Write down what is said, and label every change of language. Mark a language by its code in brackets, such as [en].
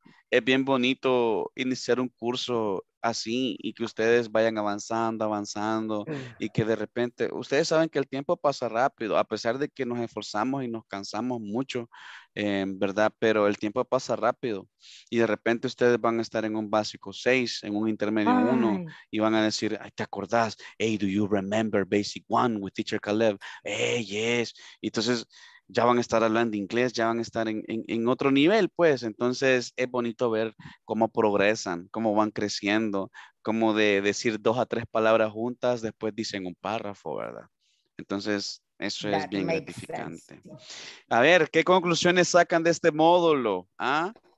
[es] es bien bonito iniciar un curso así y que ustedes vayan avanzando, avanzando, y que de repente, ustedes saben que el tiempo pasa rápido, a pesar de que nos esforzamos y nos cansamos mucho, ¿verdad? Pero el tiempo pasa rápido y de repente ustedes van a estar en un básico 6, en un intermedio 1, y van a decir, ay, ¿te acordás? [en] Hey, do you remember basic 1 with teacher Caleb? Hey, yes. [es] Y entonces ya van a estar hablando inglés, ya van a estar en otro nivel, pues. Entonces es bonito ver cómo progresan, cómo van creciendo, cómo de decir 2 a 3 palabras juntas, después dicen un párrafo, ¿verdad? Entonces eso es bien gratificante. Sense. A ver, ¿qué conclusiones sacan de este módulo? ¿Ah?